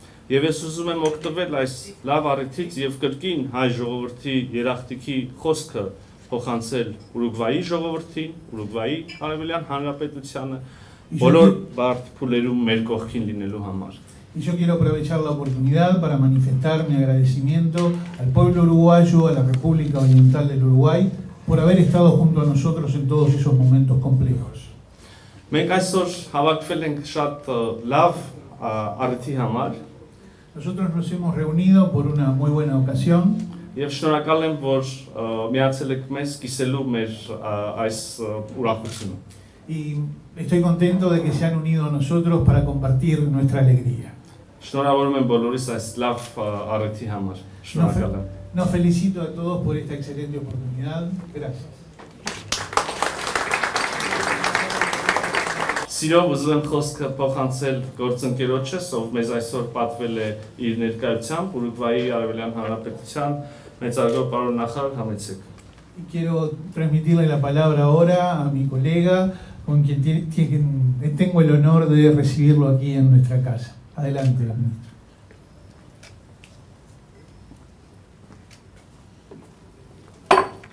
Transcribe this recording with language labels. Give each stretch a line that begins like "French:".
Armenian: Եվ ես ուզում եմ օգտվել այս լավ առիթից եւ կրկին հայ ժողովրդի երախտագիտի խոսքը փոխանցել Ուրուգվայի ժողովրդին, Ուրուգվայի Արևելյան Հանրապետությանը բոլոր բարդ փուլերում մեր կողքին լինելու համար։
Spanish: Yo quiero aprovechar la oportunidad para manifestar mi agradecimiento al pueblo uruguayo, a la República Oriental del Uruguay por haber estado junto a nosotros en todos esos momentos complejos.
Armenian: Մենք այսօր հավաքվել ենք շատ լավ առիթի համար։
Spanish: Nosotros nos hemos reunido por una muy buena ocasión.
Armenian: Եվ շնորհակալ եմ, որ միացել եք մեզ կիսելու մեր այս ուրախությունը։
Spanish: Y estoy contento de que se han unido a nosotros para compartir nuestra alegría.
Armenian: Շնորհավորում եմ բոլորիս այս լավ առիթի համար։ Շնորհակալ եմ։
Spanish: Nos felicito a todos por esta excelente oportunidad. Gracias.
Armenian: Սիրով ուզում եմ խոսքը փոխանցել գործընկերոջս, ով մեզ այսօր պատվել է իր ներկայությամբ Ուրուգվայի Արևելյան Հանրապետության մեծագույն պարոն նախարար Համեցեկ։
Spanish: Quiero transmitirle la palabra ahora a mi colega con quien tengo el honor de recibirlo aquí en nuestra casa. Adelante, ministro.